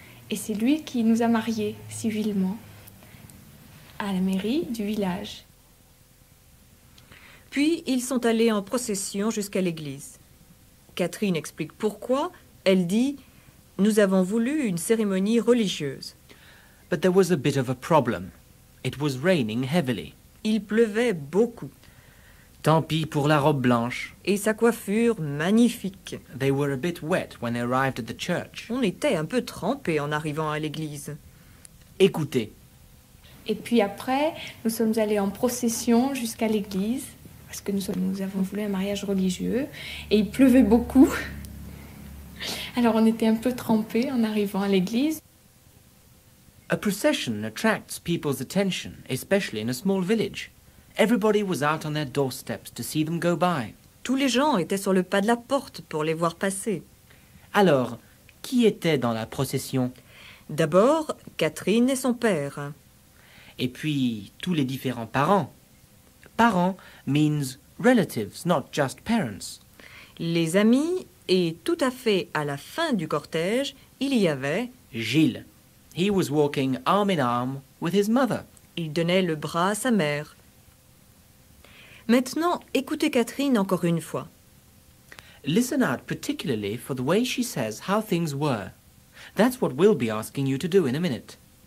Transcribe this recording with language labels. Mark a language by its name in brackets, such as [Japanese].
[French] Et c'est lui qui nous a mariés civilement à la mairie du village. Puis, ils sont allés en procession jusqu'à l'église. Catherine explique pourquoi. Elle dit, nous avons voulu une cérémonie religieuse. [English] But there was a bit of a problem. It was raining heavily. [French] Il pleuvait beaucoup. Tant pis pour la robe blanche. Et sa coiffure magnifique. [English] They were a bit wet when they arrived at the church. [French] On était un peu trempés en arrivant à l'église. Écoutez. Et puis après, nous sommes allés en procession jusqu'à l'église. Parce que nous avons voulu un mariage religieux et il pleuvait beaucoup. Alors on était un peu trempés en arrivant à l'église. [English] A procession attracts people's attention, especially in a small village. Everybody was out on their doorsteps to see them go by. [French] Tous les gens étaient sur le pas de la porte pour les voir passer. Alors, qui était dans la procession? D'abord, Catherine et son père. Et puis, tous les différents parents. [English] Parents means relatives, not just parents. [French] Les amis, et tout à fait à la fin du cortège, il y avait... Gilles. [English] He was walking arm in arm with his mother. [French] Il donnait le bras à sa mère. Maintenant, écoutez Catherine encore une fois. [English] Listen out particularly for the way she says how things were. That's what we'll be asking you to do in a minute.